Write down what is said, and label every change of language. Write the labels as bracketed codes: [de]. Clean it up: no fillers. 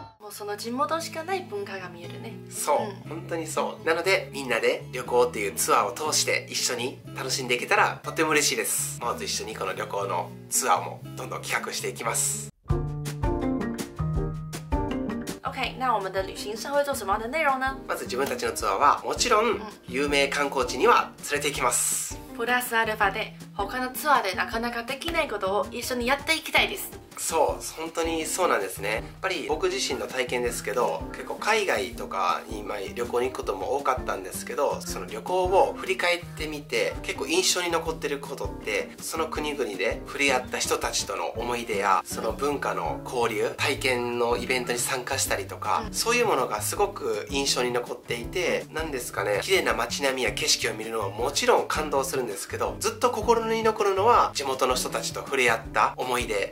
[ja] その地元しかない文化が見えるね。そう、本当にそう。なのでみんなで旅行っていうツアーを通して一緒に楽しんでいけたらとても嬉しいです。まず一緒にこの旅行のツアーもどんどん企画していきます。 OK、 [zh] 那我们的旅行社会做什么样的内容呢？ [ja] まず自分たちのツアーはもちろん有名観光地には連れて行きます。プラスアルファで他のツアーでなかなかできないことを一緒にやっていきたいです。そう、本当にそうなんですね。やっぱり僕自身の体験ですけど、結構海外とかに旅行に行くことも多かったんですけど、その旅行を振り返ってみて、結構印象に残ってることって、その国々で触れ合った人たちとの思い出や、その文化の交流、体験のイベントに参加したりとか、そういうものがすごく印象に残っていて、なんですかね、綺麗な街並みや景色を見るのはもちろん感動するんですけど、ずっと心に残るのは地元の人たちと触れ合った思い出。